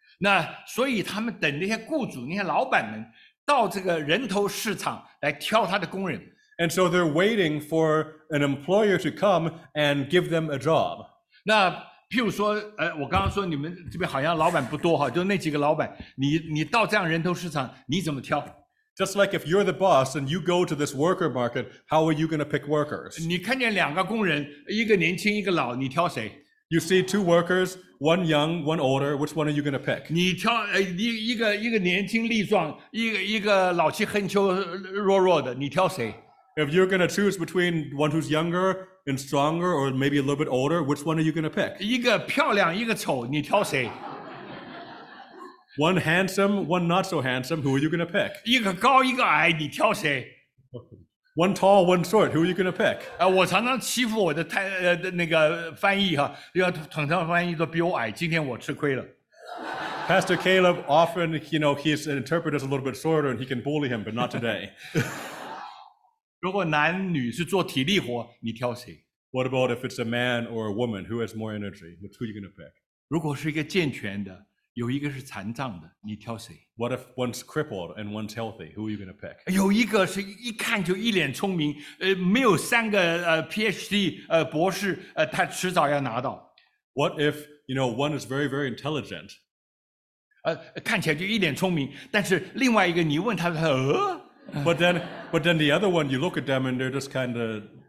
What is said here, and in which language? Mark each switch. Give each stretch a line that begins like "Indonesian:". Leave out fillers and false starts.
Chinese: 那所以他们等那些雇主那些老板们到这个人头市场来挑他的工人。
English: And so they're waiting for an employer to come and give them a job.
Chinese: 那譬如说我刚刚说你们这边好像老板不多就那几个老板你到这样人头市场你怎么挑
English: Just like if you're the boss and you go to this worker market, how are you going to pick workers?
Chinese: 你看见两个工人一个年轻一个老你挑谁
English: You see two workers, one young, one older, which one are you going to pick?
Chinese: 你挑一个年轻力壮一个老气横秋弱弱的你挑谁
English: If you're going to choose between one who's younger and stronger or maybe a little bit older, which one are you going to pick?
Chinese: 一个漂亮一个丑你挑谁
English: One handsome, one not so handsome, who are you going to pick?
Chinese: 一个高一个矮你挑谁
English: One tall, one short, who are you going to pick?
Chinese: 我常常欺负我的那个翻译常常翻译都比我矮今天我吃亏了
English: Pastor Caleb often, you know, his interpreter is a little bit shorter and he can bully him, but not today.
Chinese: 如果男女是做体力活你挑谁
English: What about if it's a man or a woman who has more energy? Who are you going to pick?
Chinese: 如果是一个健全的有一个是残障的你挑谁
English: What if one's crippled and one's healthy? Who are you going to pick?
Chinese: 有一个是一看就一脸聪明没有三个PhD 博士他迟早要拿到
English: What if, you know, one is very, very intelligent?
Chinese: 看起来就一脸聪明但是另外一个你问他他
English: But then the other one, you look at them and they're just kind of,